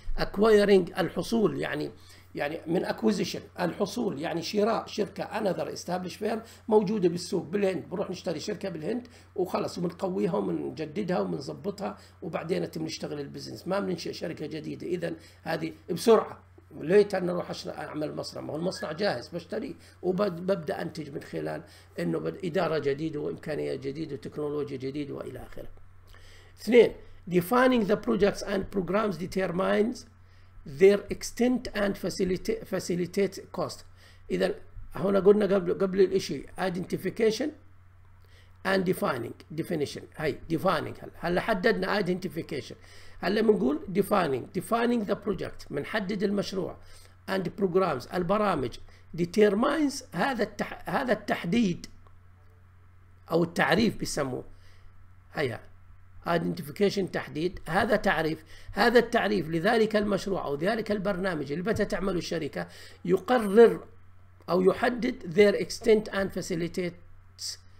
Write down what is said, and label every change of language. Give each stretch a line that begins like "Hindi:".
Arabic: Acquiring الحصول يعني من acquisition الحصول يعني شراء شركة
English: another established firm
Arabic: موجودة بالسوق بالهند، بروح نشتري شركة بالهند وخلص ومنقويها ومنجددها ومنظبطها وبعدين نشتغل البزنس، ما بننشئ شركة جديدة. إذا هذه بسرعة ليت أنا أروح أعمل مصنع، ما هو المصنع جاهز بشتريه وببدأ أنتج من خلال أنه إدارة جديدة وإمكانية جديدة وتكنولوجيا جديدة وإلى آخره.
English: 2 defining the projects and programs determines their extent and facilitate cost.
Arabic: إذا هنا قلنا قبل الإشي identification and defining definition، هاي defining، هلا حددنا identification، هلا بنقول
English: defining the project،
Arabic: منحدد المشروع
English: and programs
Arabic: البرامج. Determines هذا التحديد أو التعريف بيسموه، هيا identification تحديد، هذا تعريف، هذا التعريف لذلك المشروع أو ذلك البرنامج اللي بدها تعمله الشركة يقرر أو يحدد
English: their extent and facilitates